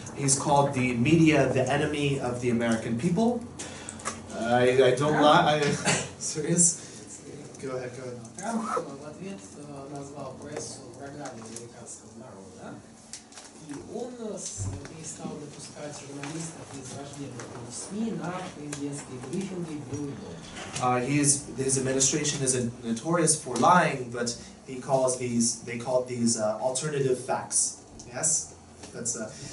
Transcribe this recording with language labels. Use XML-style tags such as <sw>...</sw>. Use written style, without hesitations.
<en>He's called the media the enemy of the American people. I don't lie. Serious? Go ahead.</en> <ru>Trump в ответ назвал прессу врагами американского народа, и он перестал допускать журналистов из враждебных СМИ на президентские брифинги в Белом.</ru> <en>His administration is notorious for lying, but he calls these, they call these alternative facts. Yes? That's a...</en>